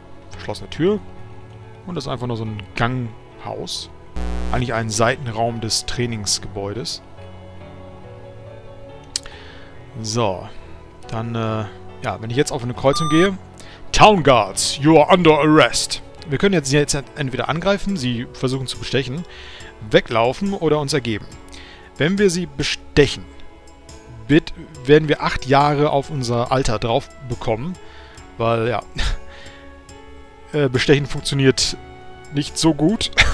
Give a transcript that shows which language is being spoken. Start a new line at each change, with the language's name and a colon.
German: Verschlossene Tür. Und das ist einfach nur so ein Ganghaus. Eigentlich ein Seitenraum des Trainingsgebäudes. So. Dann, ja, wenn ich jetzt auf eine Kreuzung gehe.
English: Town Guards, you are under arrest.
German: Wir können jetzt, entweder angreifen, sie versuchen zu bestechen, weglaufen oder uns ergeben. Wenn wir sie bestechen, werden wir 8 Jahre auf unser Alter drauf bekommen. Weil, ja... Bestechen funktioniert nicht so gut.